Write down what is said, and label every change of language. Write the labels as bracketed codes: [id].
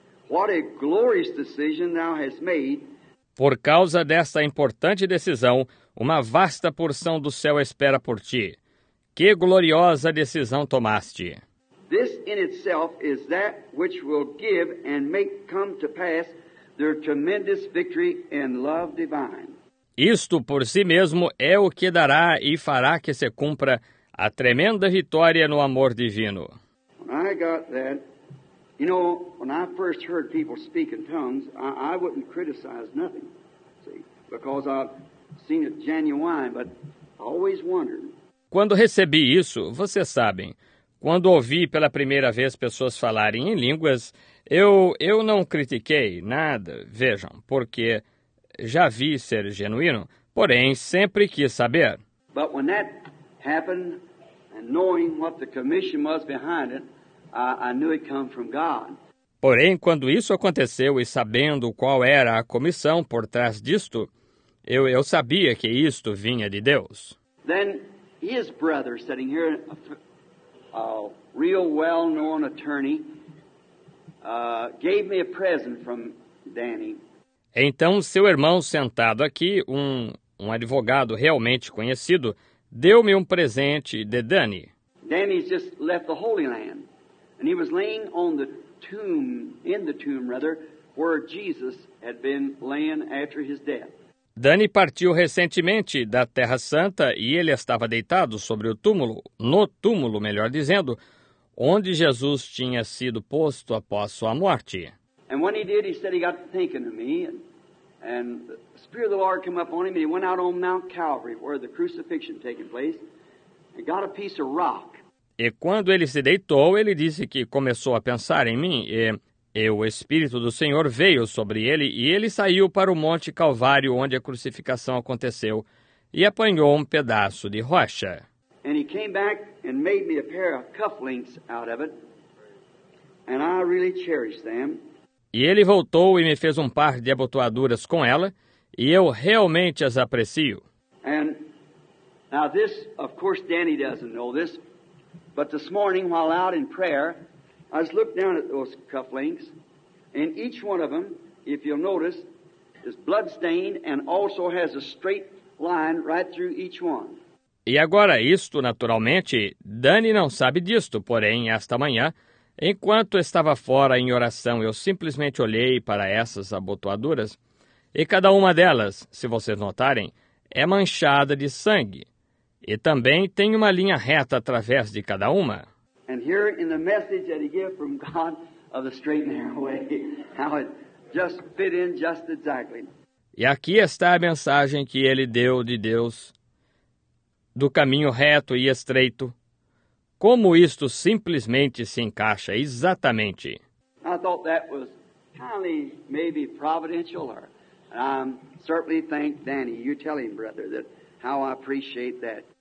[en] What a glorious decision thou hast made. [pt] Por causa desta importante decisão, uma vasta porção do céu espera por ti. Que gloriosa decisão tomaste! [en] This in itself is that which will give and make come to pass their tremendous victory in love divine. [pt] Isto por si mesmo é o que dará e fará que se cumpra a tremenda vitória no amor divino. [en] When I got that, you know, when I first heard people speak in tongues, I wouldn't criticize nothing, see, because I've seen it genuine, but I always wondered. [pt] Quando recebi isso, vocês sabem, quando ouvi pela primeira vez pessoas falarem em línguas, eu não critiquei nada, vejam, porque já vi ser genuíno, porém sempre quis saber. [en] But when that happened, and knowing what the commission was behind it, I knew it come from God. [pt] Porém, quando isso aconteceu e sabendo qual era a comissão por trás disto, eu sabia que isto vinha de Deus. [en] Then his brother sitting here, a real well-known attorney, gave me a present from Danny. [pt] Então seu irmão sentado aqui, um advogado realmente conhecido, deu-me um presente de Danny. [en] Danny's just left the Holy Land, and he was laying on the tomb, in the tomb rather, where Jesus had been laying after his death. [pt] Danny partiu recentemente da Terra Santa e ele estava deitado sobre o túmulo, no túmulo, melhor dizendo, onde Jesus tinha sido posto após sua morte. [en] And when he did, he said he got thinking of me, and the Spirit of the Lord came up on him, and he went out on Mount Calvary, where the crucifixion had taken place, and got a piece of rock. [pt] E quando ele se deitou, ele disse que começou a pensar em mim e... E o Espírito do Senhor veio sobre ele, e ele saiu para o Monte Calvário, onde a crucificação aconteceu, e apanhou um pedaço de rocha. [en] And he came back and made me a pair of cufflinks out of it, and I really cherish them. [pt] E ele voltou e me fez um par de abotoaduras com ela, e eu realmente as aprecio. [en] And now this, of course, Danny doesn't know this, but this morning, while out in prayer, I just looked down at those cufflinks, and each one of them, if you'll notice, is blood-stained and also has a straight line right through each one. [pt] E agora isto, naturalmente, Danny não sabe disto, porém, esta manhã, enquanto estava fora em oração, eu simplesmente olhei para essas abotoaduras, e cada uma delas, se vocês notarem, é manchada de sangue, e também tem uma linha reta através de cada uma. [en] And here in the message that he gave from God of the straight and narrow way, how it just fit in just exactly. [pt] E aqui está a mensagem que ele deu de Deus, do caminho reto e estreito. Como isto simplesmente se encaixa exatamente. [en] I thought that was kindly maybe providential, or certainly thank Danny. You tell him, brother, that how I appreciate that.